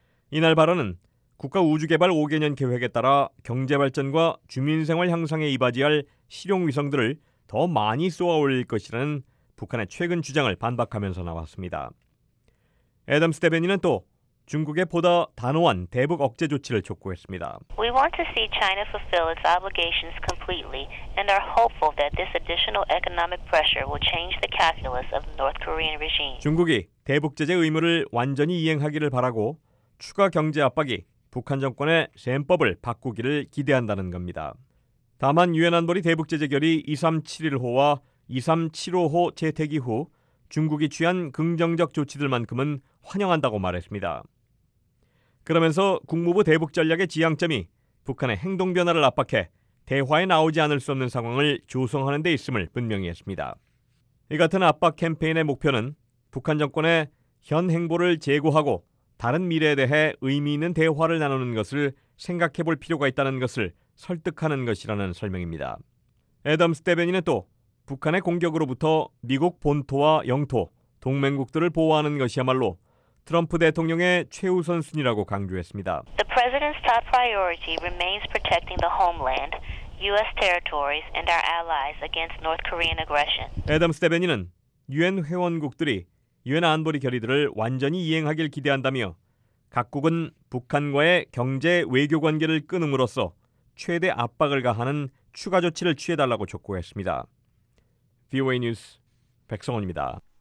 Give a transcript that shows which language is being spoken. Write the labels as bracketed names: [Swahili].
[Korean] 이날 발언은 국가 우주개발 5개년 계획에 따라 경제발전과 주민생활 향상에 이바지할 실용위성들을 더 많이 쏘아올릴 것이라는 북한의 최근 주장을 반박하면서 나왔습니다. 애덤스 대변인은 또 중국에 보다 단호한 대북 억제 조치를 촉구했습니다. [English] We want to see China fulfill its obligations completely. completely and are hopeful that this additional economic pressure will change the calculus of the North Korean regime. [Korean] 중국이 대북 제재 의무를 완전히 이행하기를 바라고 추가 경제 압박이 북한 정권의 셈법을 바꾸기를 기대한다는 겁니다. 다만 유엔 안보리 대북 제재 결의 2371호와 2375호 채택 이후 중국이 취한 긍정적 조치들만큼은 환영한다고 말했습니다. 그러면서 국무부 대북 전략의 지향점이 북한의 행동 변화를 압박해 대화에 나오지 않을 수 없는 상황을 조성하는 데 있음을 분명히 했습니다. 이 같은 압박 캠페인의 목표는 북한 정권의 현 행보를 재고하고 다른 미래에 대해 의미 있는 대화를 나누는 것을 생각해 볼 필요가 있다는 것을 설득하는 것이라는 설명입니다. 애덤스 대변인은 또 북한의 공격으로부터 미국 본토와 영토, 동맹국들을 보호하는 것이야말로 트럼프 대통령의 최우선순위라고 강조했습니다. [English] The president's top priority remains protecting the homeland, U.S. territories, and our allies against North Korean aggression. [Korean] 애덤스 대변인은 유엔 회원국들이 유엔 안보리 결의들을 완전히 이행하길 기대한다며 각국은 북한과의 경제 외교 관계를 끊음으로써 최대 압박을 가하는 추가 조치를 취해달라고 촉구했습니다. VOA 뉴스 백성원입니다.